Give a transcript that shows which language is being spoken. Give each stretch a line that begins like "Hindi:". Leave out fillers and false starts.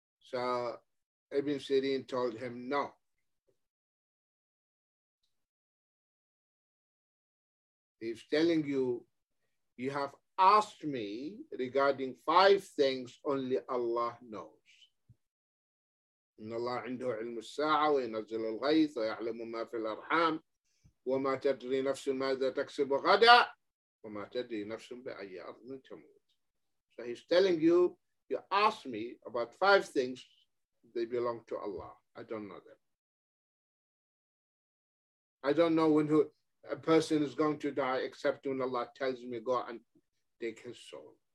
English: So Ibn Sirin told him, no. He's telling you, you have asked me regarding 5 things only Allah knows.
Arabic: إن الله عنده علم الساعة وينزل الغيث ويعلم ما في الأرحام وما تدري نفس ماذا تكسب غدا وما تدري نفس بأي أرض تموت.
English: So he's telling you, you asked me about 5 things, they belong to Allah. I don't know them. I don't know when a person is going to die except when Allah tells me go and take his soul.